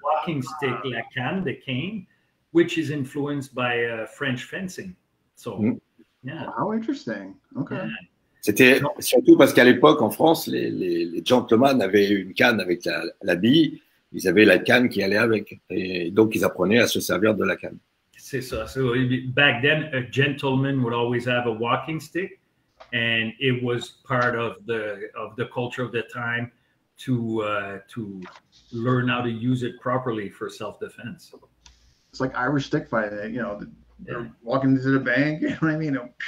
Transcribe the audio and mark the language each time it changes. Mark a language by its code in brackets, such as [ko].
[en] Walking stick, [fr] la canne, [en] the cane, which is influenced by French fencing. So, yeah. How interesting. Okay. Yeah. [fr] C'était surtout parce qu'à l'époque, en France, les gentlemen avaient une canne avec la bille. Ils avaient la canne qui allait avec. Et donc, ils apprenaient à se servir de la canne. C'est ça. [en] So back then, a gentleman would always have a walking stick, and it was part of the culture of the time to learn how to use it properly for self-defense. It's like Irish stick fighting, you know, they're walking into the bank, you know what I mean?